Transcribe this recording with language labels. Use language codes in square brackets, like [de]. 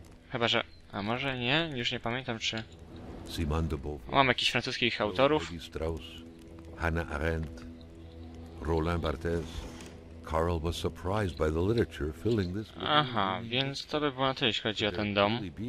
[pl] Chyba, że... A może nie? Już nie pamiętam, czy... Mam jakichś francuskich autorów. Hannah Arendt, Roland Barthes. [en] Karl was surprised by the literature filling this. [pl] Aha, więc to by było na tyle, jeśli chodzi o ten dom.